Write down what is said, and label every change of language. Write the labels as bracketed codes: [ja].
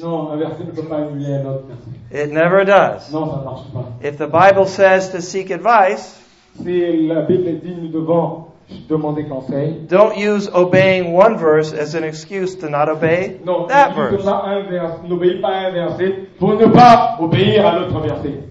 [fr] Non, un verset ne peut pas annuler un autre. [en] It never does. [fr] Non, ça ne marche pas. [en] If the Bible says to seek advice, [fr] si la Bible dit nous devons demander conseil, [en] don't use obeying one verse as an excuse to not obey that verse. [fr] N'obéis pas un verset pour ne pas obéir à l'autre verset.